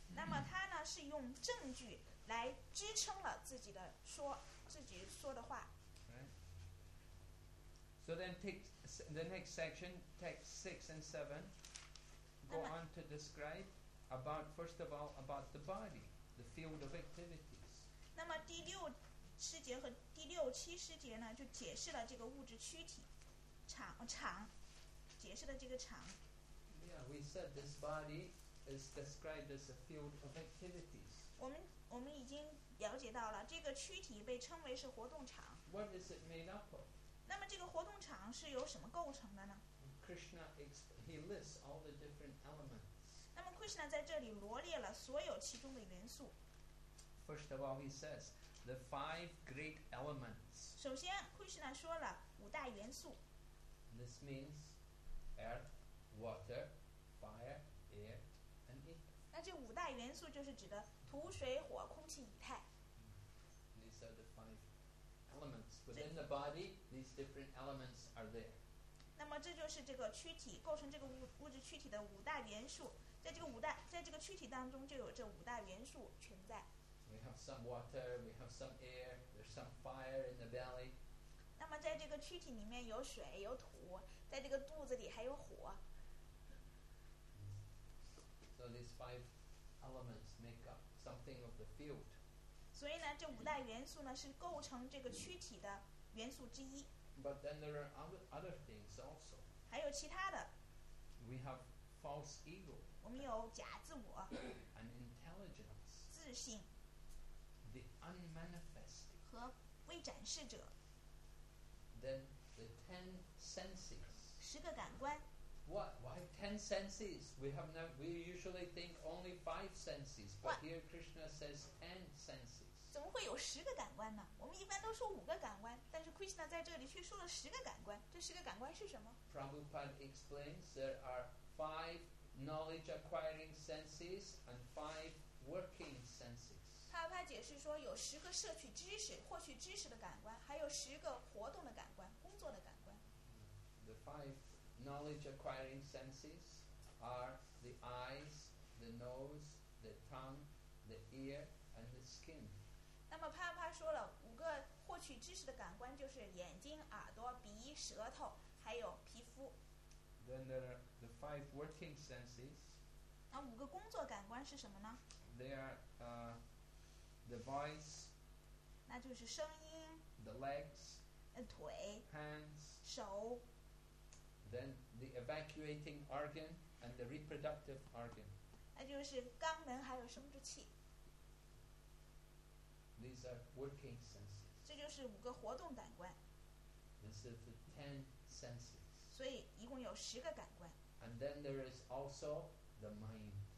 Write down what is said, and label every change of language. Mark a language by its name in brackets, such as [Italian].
[Chinese] 那么他呢是用证据来支撑了自己的说自己说的话。 [English] Right. So then take the next section, text 6 and 7, go on to describe about, first of all, about the body, the field of activities. [Chinese] 那么第六十节和第六七十节呢就解释了这个物质躯体场解释了这个场 [English] Yeah, we said this body is described as a field of activities. [Chinese] 我们已经了解到了这个躯体被称为是活动场 [English] What is it made up of? [Chinese] 那么这个活动场是由什么构成的呢 [English] Krishna, he lists all the different elements. [Chinese] 那么 Krishna 在这里罗列了所有其中的元素 [English] First of all, he says,The five great elements. [Chinese] 首先 Krishna 说了五大元素 [English] This means earth, water, fire, air, and ether. [Chinese] 那这五大元素就是指的土、水、火、空气、以太 [English] These are the five elements. Within the body, these different elements are there. [Chinese] 那么这就是这个躯体构成这个 物质躯体的五大元素在这个五大在这个躯体当中就有这五大元素存在 [English] We have some water, we have some air, there's some fire in the belly. [Chinese] 那么在这个躯体里面有水有土在这个肚子里还有火。 [English] So these five elements make up something of the field. [Chinese] 所以呢这五大元素呢是构成这个躯体的元素之一。 [English] But then there are other things also. [Chinese] 还有其他的。 [English] We have false ego. [Chinese] 我们有假自我。 [English] And intelligence. [Chinese] 自信。 [English] The unmanifest [Chinese] 和未展示者 [English] Then the ten senses [Chinese] 十个感官 [English] What? Why ten senses? We usually think only five senses But here Krishna says ten senses [Chinese] 怎么会有十个感官呢我们一般都说五个感官但是 Krishna 在这里却说了十个感官这十个感官是什么 [English] Prabhupada explains there are five knowledge acquiring senses and five working senses [Chinese] 他解释说有十个摄取知识获取知识的感官还有十个活动的感官工作的感官 [English] The five knowledge acquiring senses are the eyes, the nose, the tongue, the ear, and the skin [Chinese] 那么帕帕说了五个获取知识的感官就是眼睛、耳朵、鼻、舌头还有皮肤 [English] Then there are the five working senses [Chinese] 那五个工作感官是什么呢 [English] They are The voice, [Chinese] 那就是声音 [English] the legs, [Chinese] 腿 [English] hands, [Chinese] 手 [English] then the evacuating organ and the reproductive organ. [Chinese] 那就是肛门还有生殖器 [English] These are working senses. [Chinese] 这就是五个活动感官 [English] This is the ten senses. [Chinese] 所以一共有十个感官 [English] And then there is also the mind.